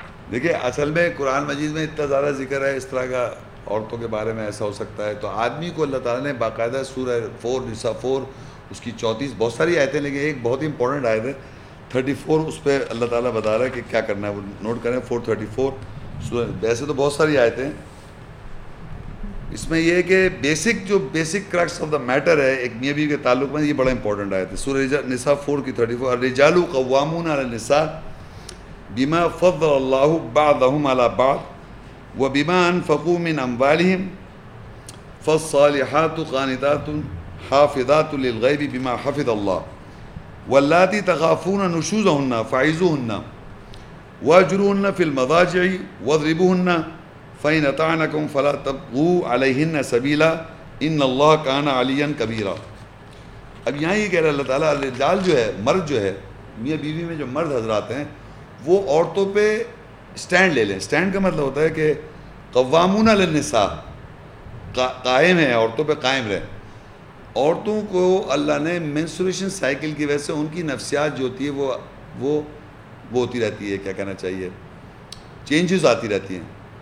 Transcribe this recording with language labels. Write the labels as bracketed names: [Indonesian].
[Urdu] دیکھیے اصل میں قرآن مجید میں اتنا زیادہ ذکر ہے اس طرح کا عورتوں کے بارے میں ایسا ہو سکتا ہے, تو آدمی کو اللہ تعالیٰ نے باقاعدہ سورہ 4 نساء 4 اس کی 34 بہت ساری آیتیں, لیکن ایک بہت ہی امپورٹنٹ آیت ہے 34, اس پہ اللہ تعالیٰ بتا رہا ہے کہ کیا کرنا ہے, وہ نوٹ کریں 434, ویسے تو بہت ساری آیتیں ہیں, اس میں یہ ہے کہ basic crux of the matter ہے ایک میاں بیوی کے تعلق میں, یہ بڑا امپورٹنٹ آیت ہے سورہ نساء 4 کی 34, [Arabic] رجال قوامون علی النساء, بما فضل الله بعضهم على بعض وبما أنفقوا من أموالهم فالصالحات قانتات حافظات للغيب بما حفظ الله واللاتي تخافون نشوزهن فعزوهن واجروهن في المضاجع واضربوهن فإن أطعنكم فلا تبغوا عليهن سبيلا إن الله كان عليا كبيرا. [Urdu] اب یہاں یہ کہہ رہا ہے اللہ تعالیٰ، الرجال جو ہے مرد جو ہے، میاں بیوی میں جو مرد حضرات ہیں وہ عورتوں پہ سٹینڈ لے لیں. سٹینڈ کا مطلب ہوتا ہے کہ قوامون علی النساء، قائم ہیں عورتوں پہ، قائم رہیں. عورتوں کو اللہ نے مینسٹریشن سائیکل کی وجہ سے ان کی نفسیات جو ہوتی ہے وہ ہوتی رہتی ہے، کیا کہنا چاہیے، چینجز آتی رہتی ہیں.